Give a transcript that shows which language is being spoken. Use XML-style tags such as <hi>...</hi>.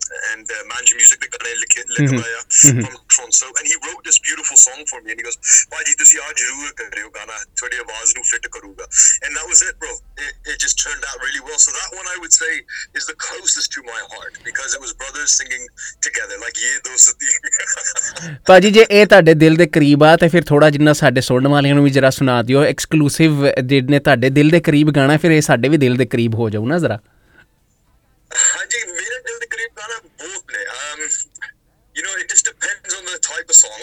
<en>and Manji Music</en> <pa>de gana likhaya</pa> <en>from Toronto and he wrote this beautiful song for me and he goes</en> <pa>bhaji tusi aa zarur kareo gana thodi awaaz nu fit karuga</pa> <en>and that was it bro it just turned out really well so that one I would say is the closest to my heart because it was brothers singing together like</en> <pa>ye dosti ਭਾਜੀ ਜੇ ਇਹ ਤੁਹਾਡੇ ਦਿਲ ਦੇ ਕਰੀਬ ਆ ਤੇ ਫਿਰ ਥੋੜਾ ਜਿੰਨਾ ਸਾਡੇ ਸੁਣਨ ਵਾਲਿਆਂ ਨੂੰ ਵੀ ਜਰਾ ਸੁਣਾ ਦਿਓ ਐਕਸਕਲੂਸਿਵ ਜਿਹਨੇ ਤੁਹਾਡੇ ਦਿਲ ਦੇ ਕਰੀਬ ਗਾਣਾ ਫਿਰ ਇਹ ਸਾਡੇ ਵੀ ਦਿਲ ਦੇ ਕਰੀਬ ਹੋ ਜਾਊ ਨਾ ਜਰਾ yaar bahut le</pa> <en>you know it just depends on the type of song</en>